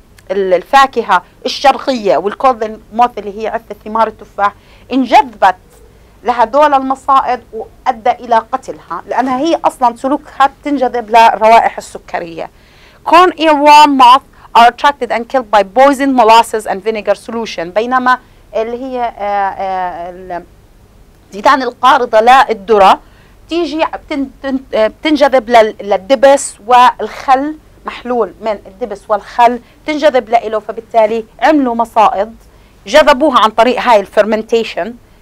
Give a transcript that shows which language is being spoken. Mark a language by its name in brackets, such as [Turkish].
[Arabic] الفاكهة الشرقية والكوذن موث اللي هي عثة ثمار التفاح انجذبت لهدول المصائد وأدى إلى قتلها، لأنها هي أصلاً سلوكها بتنجذب للروائح السكرية. [English] Corn earworm moth are attracted and killed by poisoned molasses and vinegar solution. [Arabic] بينما اللي هي ديدان القارضة للذرة تيجي بتنجذب للدبس والخل، محلول من الدبس والخل تنجذب لإله، فبالتالي عملوا مصائد جذبوها عن طريق هاي الفرمنتيشن